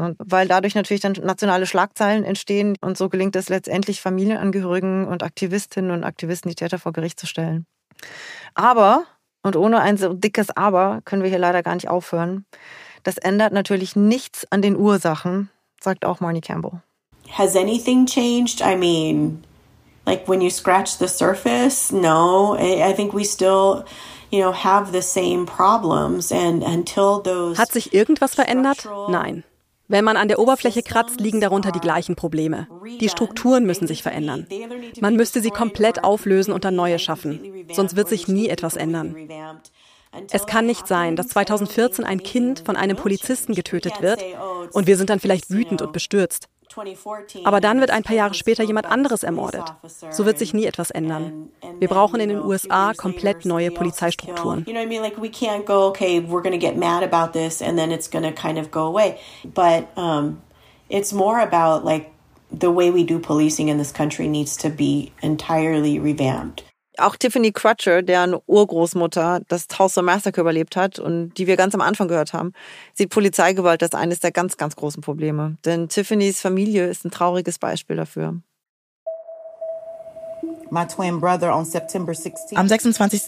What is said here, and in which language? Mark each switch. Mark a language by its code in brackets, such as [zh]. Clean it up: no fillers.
[de] Und weil dadurch natürlich dann nationale Schlagzeilen entstehen und so gelingt es letztendlich Familienangehörigen und Aktivistinnen und Aktivisten, die Täter vor Gericht zu stellen. Aber, und ohne ein so dickes Aber, können wir hier leider gar nicht aufhören. Das ändert natürlich nichts an den Ursachen, sagt auch Marnie Campbell. [en] Has anything changed? I mean, like when you scratch the surface, no, I think we still, you know, have the same problems. And until those [de] hat sich irgendwas verändert? Nein. Wenn man an der Oberfläche kratzt, liegen darunter die gleichen Probleme. Die Strukturen müssen sich verändern. Man müsste sie komplett auflösen und dann neue schaffen. Sonst wird sich nie etwas ändern. Es kann nicht sein, dass 2014 ein Kind von einem Polizisten getötet wird und wir sind dann vielleicht wütend und bestürzt. Aber dann wird ein paar Jahre später jemand anderes ermordet. So wird sich nie etwas ändern. Wir brauchen in den USA komplett neue Polizeistrukturen. [en] You know what I mean? Like we can't go, okay, we're going to get mad about this and then it's going to kind of go away. But it's more about like the way we do policing in this country needs to be entirely revamped. [de] Auch Tiffany Crutcher, deren Urgroßmutter das Tulsa Massacre überlebt hat und die wir ganz am Anfang gehört haben, sieht Polizeigewalt als eines der ganz, ganz großen Probleme. Denn Tiffanys Familie ist ein trauriges Beispiel dafür. Am 26.